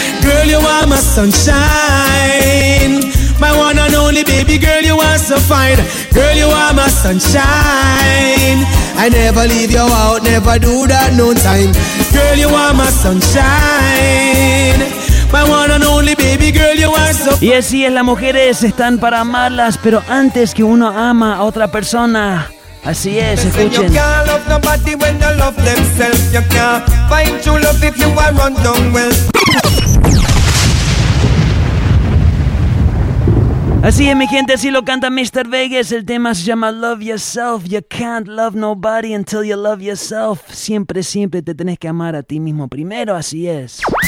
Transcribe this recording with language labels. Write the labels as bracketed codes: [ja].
[en] Girl, you are my sunshine. My one and only baby girl, you are so fine. Girl, you are my sunshine. I never leave you out, never do that, no time. Girl, you are my sunshine. My one and only baby girl, you are so fine. [es] Y así es, las mujeres están para amarlas, pero antes que uno ama a otra persona. Así es, escuchen. [en] You can't love nobody when you love themselves. You can't find true love if you are run down well. [es] Así es, mi gente, así lo canta Mr. Vegas. El tema se llama Love Yourself. [en] You can't love nobody until you love yourself. [es] Siempre, siempre te tenés que amar a ti mismo primero, así es.